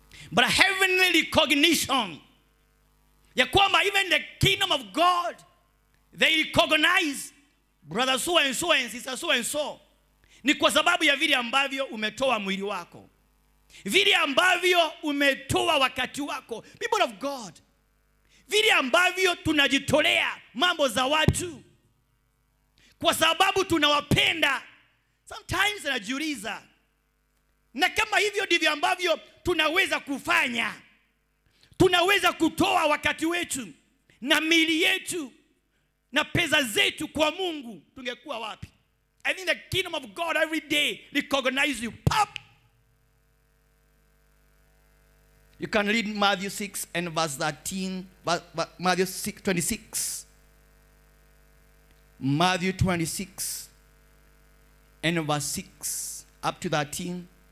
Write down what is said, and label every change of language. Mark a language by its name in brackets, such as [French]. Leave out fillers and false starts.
[English] But a heavenly recognition [Swahili] ya kwamba [English] even the kingdom of God they recognize brother so and so and sister so and so. [Swahili] Ni kwa sababu ya vile ambavyo umetoa mwili wako. Vile ambavyo umetoa wakati wako. [English] People of God. [Swahili] Vile ambavyo tunajitolea mambo za watu. Kwa sababu tunawapenda. [English] Sometimes [Swahili] najiuliza. Na kama hivyo divyo ambavyo tunaweza kufanya. Tunaweza kutoa wakati wetu. Na mili yetu. Na pesa zetu kwa Mungu tungekuwa wapi? [English] I think the kingdom of God every day recognize you. Pop! You can read Matthew 6 and verse 13. Matthew 6, 26. Matthew 26 and verse 6 up to 13.